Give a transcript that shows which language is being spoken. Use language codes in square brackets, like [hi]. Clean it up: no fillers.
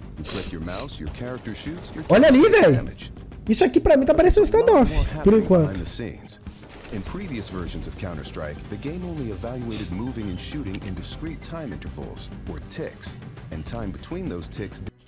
[en] You click your mouse, your character shoots, your... [pt] Olha ali, velho. Isso aqui pra mim tá parecendo Standoff, por enquanto. [en] In previous versions of Counter-Strike, the game only evaluated moving and shooting in discrete time intervals, or ticks, and time between those ticks.